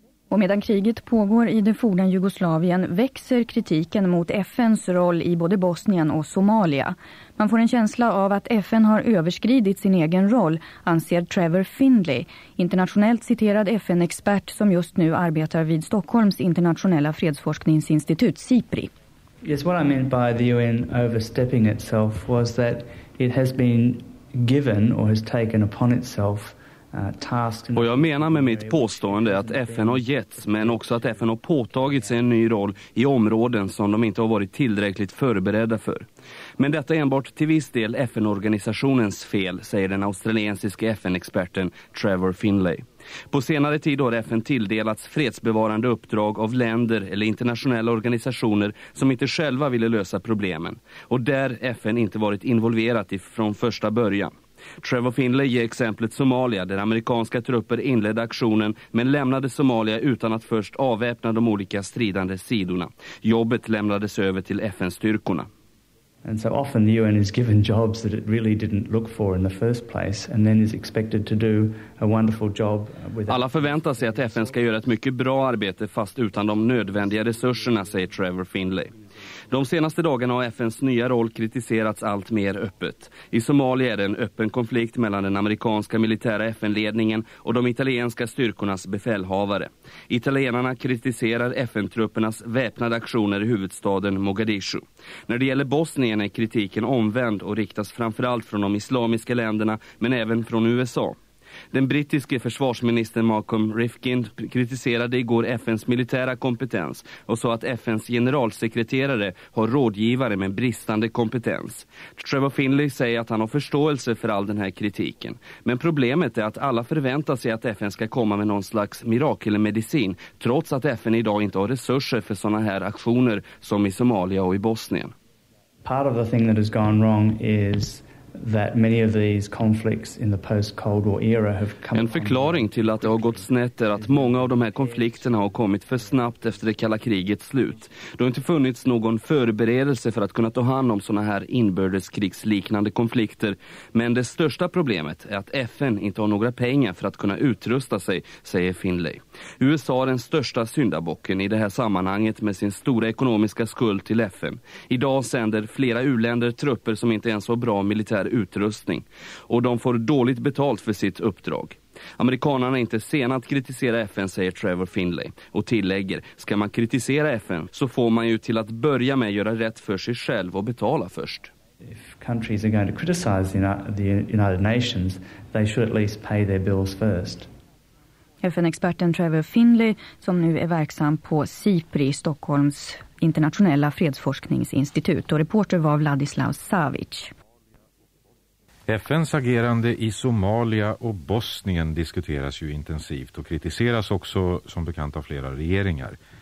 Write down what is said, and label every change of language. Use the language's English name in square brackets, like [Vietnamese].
[Swedish] Och medan kriget pågår i det forna Jugoslavien växer kritiken mot FNs roll i både Bosnien och Somalia. Man får en känsla av att FN har överskridit sin egen roll, anser Trevor Findlay, internationellt citerad FN-expert som just nu arbetar vid Stockholms internationella fredsforskningsinstitut, SIPRI. [English] Yes, what I meant by the UN overstepping itself was that it has been given or has taken upon itself. [Swedish] Och jag menar med mitt påstående att FN har getts, men också att FN har påtagit sig en ny roll i områden som de inte har varit tillräckligt förberedda för. Men detta är enbart till viss del FN-organisationens fel, säger den australiensiska FN-experten Trevor Findlay. På senare tid har FN tilldelats fredsbevarande uppdrag av länder eller internationella organisationer som inte själva ville lösa problemen. Och där FN inte varit involverat från första början. Trevor Findlay ger exemplet Somalia, där amerikanska trupper inledde aktionen men lämnade Somalia utan att först avväpna de olika stridande sidorna. Jobbet lämnades över till FN-styrkorna. [English] And so often the UN is given jobs that it really didn't look for in the first place and then is expected to do a wonderful job with. [Swedish] Alla förväntar sig att FN ska göra ett mycket bra arbete fast utan de nödvändiga resurserna, säger Trevor Findlay. De senaste dagarna har FNs nya roll kritiserats allt mer öppet. I Somalia är det en öppen konflikt mellan den amerikanska militära FN-ledningen och de italienska styrkornas befälhavare. Italienarna kritiserar FN-truppernas väpnade aktioner i huvudstaden Mogadishu. När det gäller Bosnien är kritiken omvänd och riktas framförallt från de islamiska länderna men även från USA. Den brittiske försvarsministern Malcolm Rifkind kritiserade igår FNs militära kompetens och sa att FNs generalsekreterare har rådgivare med bristande kompetens. Trevor Findlay säger att han har förståelse för all den här kritiken. Men problemet är att alla förväntar sig att FN ska komma med någon slags mirakelmedicin trots att FN idag inte har resurser för såna här aktioner som i Somalia och i Bosnien. [English] Part of the thing that has gone wrong is that many of these conflicts in the post-Cold War era have come. [Swedish] En förklaring till att det har gått snett är att många av de här konflikterna har kommit för snabbt efter det kalla krigets slut. Det har inte funnits någon förberedelse för att kunna ta hand om såna här inbördeskrigsliknande konflikter. Men det största problemet är att FN inte har några pengar för att kunna utrusta sig, säger Findlay. USA är den största syndabocken i det här sammanhanget med sin stora ekonomiska skuld till FN. Idag sänder flera uländer trupper som inte ens har bra militär utrustning. Och de får dåligt betalt för sitt uppdrag. Amerikanerna är inte sena att kritisera FN, säger Trevor Findlay. Och tillägger, ska man kritisera FN så får man ju till att börja med göra rätt för sig själv och betala först. [English] If countries are going to criticize the United Nations, they should at least pay their bills first. [Swedish] FN-experten Trevor Findlay som nu är verksam på SIPRI, Stockholms internationella fredsforskningsinstitut. Och reporter var Vladislav Savic. FNs agerande i Somalia och Bosnien diskuteras ju intensivt och kritiseras också som bekant av flera regeringar.